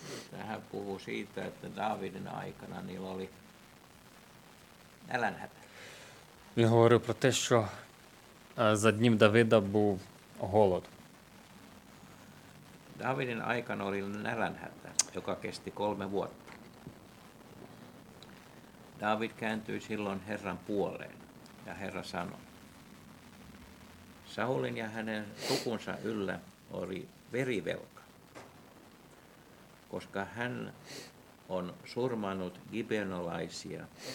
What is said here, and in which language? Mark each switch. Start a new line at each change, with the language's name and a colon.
Finnish: Tähän puhuu siitä, että Daavidin aikana niillä oli nälänhätä.
Ukrainian: Він говорив про те, що за днів Давида був голод.
Finnish: Davidin aikana oli nälänhätä, joka kesti 3 vuotta. David kääntyi silloin Herran puoleen ja Herra sanoi: Saulin ja hänen sukunsa yllä oli verivelka, koska hän on surmannut gibeonolaisia.